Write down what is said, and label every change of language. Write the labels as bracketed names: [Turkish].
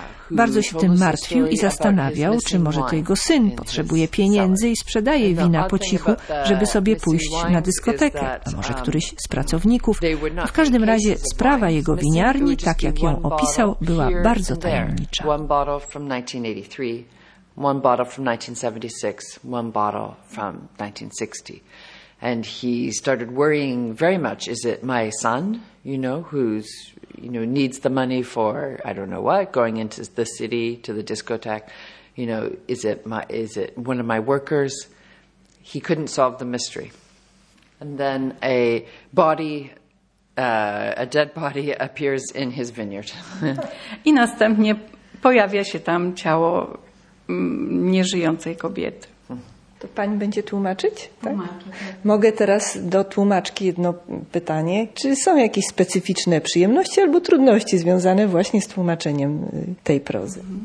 [Polish] Bardzo się tym martwił i zastanawiał, czy może to jego syn potrzebuje pieniędzy i sprzedaje wina po cichu, żeby sobie pójść na dyskotekę, a może któryś z pracowników. W każdym razie sprawa jego winiarni, tak jak ją opisał, była bardzo tajemnicza. [English] One bottle from 1983, one bottle from 1976, one bottle from 1960. And he started worrying very much, is it my son, you know, who's, you know, needs the money for, I don't know what, going into the city to the discotheque, you know, is it one of my workers? He couldn't solve the mystery. And then a body... A dead body appears in his vineyard. [Polish] I następnie pojawia się tam ciało nieżyjącej kobiety. To pani będzie tłumaczyć? Tak? Mogę teraz do tłumaczki jedno pytanie. Czy są jakieś specyficzne przyjemności albo trudności związane właśnie z tłumaczeniem tej prozy?